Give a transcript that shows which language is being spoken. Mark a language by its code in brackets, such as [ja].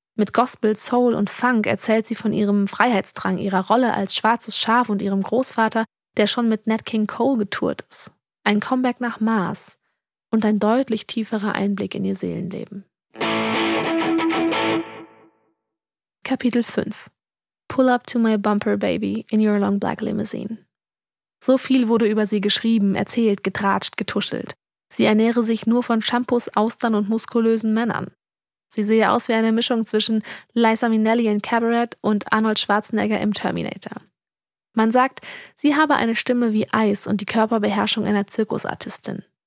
[de] Mit Gospel, Soul und Funk erzählt sie von ihrem Freiheitsdrang, ihrer Rolle als schwarzes Schaf und ihrem Großvater, der schon mit Nat King Cole getourt ist. Ein Comeback nach Mars und ein deutlich tieferer Einblick in ihr Seelenleben. Kapitel 5. [en] Pull up to my bumper, baby, in your long black limousine. [de] So viel wurde über sie geschrieben, erzählt, getratscht, getuschelt. Sie ernähre sich nur von Shampoos, Austern und muskulösen Männern. Sie sehe aus wie eine Mischung zwischen Liza Minnelli in Cabaret und Arnold Schwarzenegger im Terminator. Man sagt, sie habe eine Stimme wie Eis und die Körperbeherrschung einer Zirkusartistin.